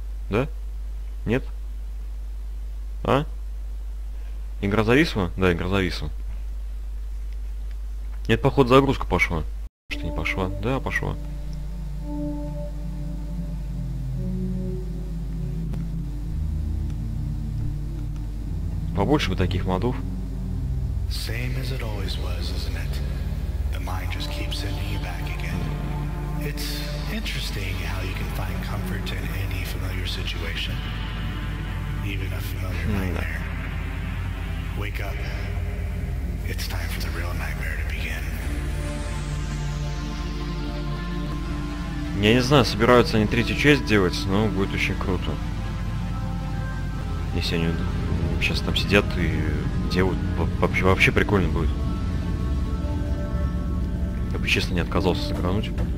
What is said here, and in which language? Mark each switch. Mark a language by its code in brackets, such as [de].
[ru] Да? Нет? А? Игра зависла? Да, игра зависла. Нет, походу, загрузка пошла. Что, не пошла? Да, пошла. Побольше бы таких модов. [en] Same as it always was, isn't it? The mind just keeps sending you back again. It's interesting how you can find comfort in any familiar situation. Even a familiar nightmare. Wake up. It's time for the real nightmare to begin. [ru] Я не знаю, собираются они третью часть делать, но будет очень круто. Если они сейчас там сидят и делают, вообще прикольно будет. Я бы честно не отказался сыгрануть.